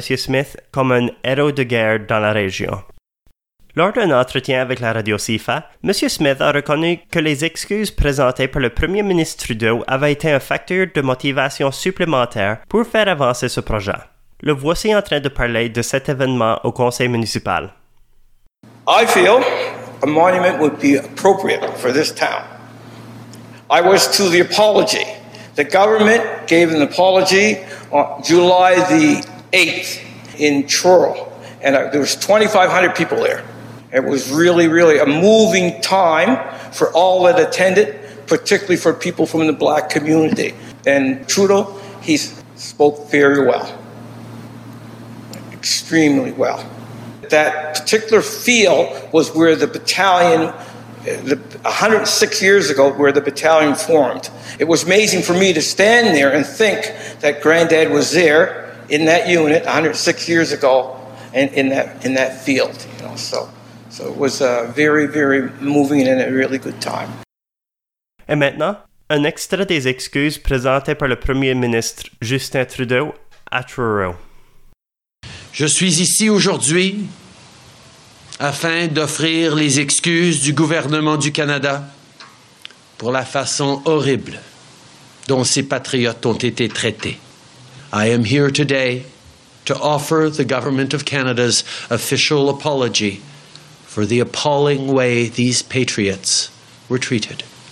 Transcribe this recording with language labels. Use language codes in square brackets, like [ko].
[fr] Smith comme un héros de guerre dans la région. Lors d'un entretien avec la radio CIFA, M. Smith a reconnu que les excuses présentées par le Premier ministre Trudeau avaient été un facteur de motivation supplémentaire pour faire avancer ce projet. Le voici en train de parler de cet événement au conseil municipal. [en] I feel a monument would be appropriate for this town. I was to the apology. The government gave an apology on July the 8th in Truro, and there was 2,500 people there. It was really, really a moving time for all that attended, particularly for people from the black community. And Trudeau, he spoke very well, extremely well. That particular feel was where the battalion, 106 years ago, where the battalion formed. It was amazing for me to stand there and think that Granddad was there in that unit 106 years ago and in that field. You know, so it was a very, very moving and a really good time. [fr] Et maintenant, un extrait des excuses présentées par le Premier ministre Justin Trudeau à Truro. Je suis ici aujourd'hui afin d'offrir les excuses du gouvernement du Canada pour la façon horrible dont ces patriotes ont été traités. [en] I am here today to offer the government of Canada's official apology for the appalling way these patriots were treated.